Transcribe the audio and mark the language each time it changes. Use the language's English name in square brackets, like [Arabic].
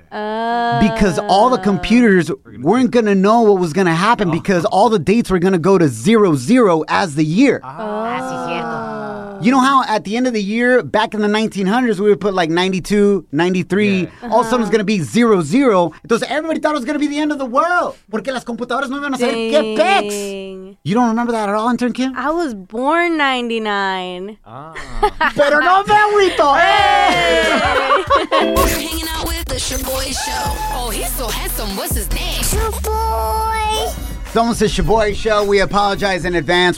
[English] Because all the computers weren't gonna know what was gonna happen because all the dates were gonna go to 00 as the year. You know how at the end of the year, back in the 1900s, we would put like 92, 93, all of a sudden it's going to be 00. [Spanish] Entonces, [English] everybody thought it was going to be the end of the world. [Spanish] Porque las computadoras no iban a saber qué pex. [English] You don't remember that at all, intern Kim? I was born 99. [Spanish] Pero no me agüito. [English] Hey! You're hanging out with the Shaboy Show. Oh, he's so handsome. What's his name? Shaboy. Someone says Shaboy Show. We apologize in advance.